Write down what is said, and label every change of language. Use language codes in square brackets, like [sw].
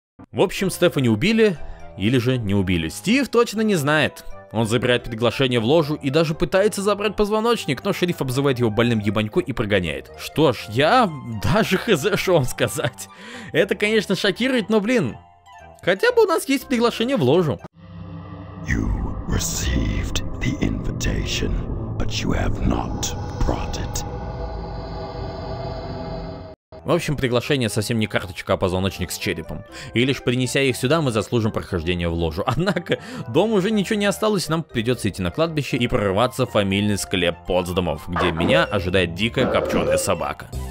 [ru] В общем, Стефани убили или же не убили. Стив точно не знает. Он забирает приглашение в ложу и даже пытается забрать позвоночник, но шериф обзывает его больным ебанько и прогоняет. Что ж, я даже хз, что вам сказать. Это, конечно, шокирует, но блин. Хотя бы у нас есть приглашение в ложу. [en] You received the invitation, but you have not brought it. [ru] В общем, приглашение совсем не карточка, а позвоночник с черепом. И лишь принеся их сюда, мы заслужим прохождение в ложу. Однако, дома уже ничего не осталось, нам придется идти на кладбище и прорваться в фамильный склеп Потсдамов, где меня ожидает дикая копченая собака.